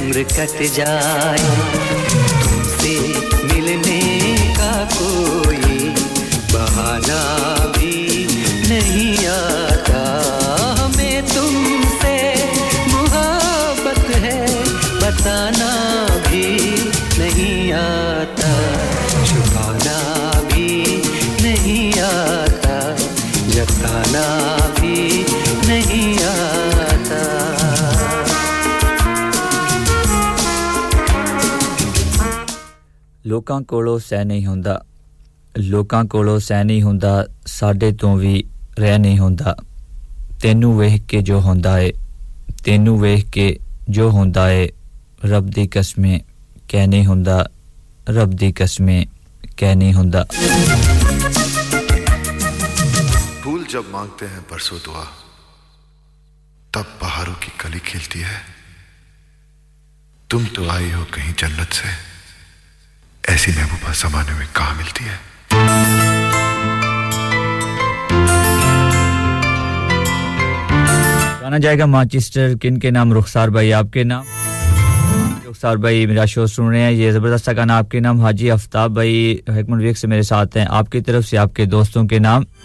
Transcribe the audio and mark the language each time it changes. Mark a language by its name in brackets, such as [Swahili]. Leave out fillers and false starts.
[Hindi] cut जाए तुमसे मिलने का कोई बहाना भी नहीं आता हमें तुमसे मोहब्बत है बताना भी नहीं आता छुपाना भी नहीं आता जताना भी नहीं आता [Punjabi] ਲੋਕਾਂ ਕੋਲੋਂ ਸਹਿ ਨਹੀਂ ਹੁੰਦਾ ਲੋਕਾਂ ਕੋਲੋਂ ਸਹਿ ਨਹੀਂ ਹੁੰਦਾ ਸਾਡੇ ਤੋਂ ਵੀ ਰਹਿ ਨਹੀਂ ਹੁੰਦਾ ਤੈਨੂੰ ਵੇਖ ਕੇ ਜੋ ਹੁੰਦਾ ਏ ਤੈਨੂੰ ਵੇਖ ਕੇ ਜੋ ਹੁੰਦਾ ਏ ਰੱਬ ਦੀ ਕਸਮੇ ਕਹਿ ਨਹੀਂ ਹੁੰਦਾ ਰੱਬ ਦੀ ਕਸਮੇ ਕਹਿ ਨਹੀਂ ਹੁੰਦਾ [Hindi] ਫੁੱਲ ਜਬ ਮੰਗਤੇ ਹੈ ਬਰਸੋ ਦੁਆ ਤਬ ਬਹਾਰੋ ਕੀ ਕਲੀ ਖਿਲਤੀ ਹੈ ਤੁਮ ਤੋ ਆਏ ਹੋ ਕਹੀਂ ਜੰਨਤ ਸੇ ऐसी महबूबा जमाने में कहां मिलती है गाना जाएगा मैनचेस्टर किन के नाम रुखसार भाई आपके नाम रुखसार भाई मेरा शो सुन रहे हैं ये जबरदस्त सा गाना आपके नाम हाजी आफताब भाई हकमन वेक से मेरे साथ हैं आपकी तरफ से आपके दोस्तों के नाम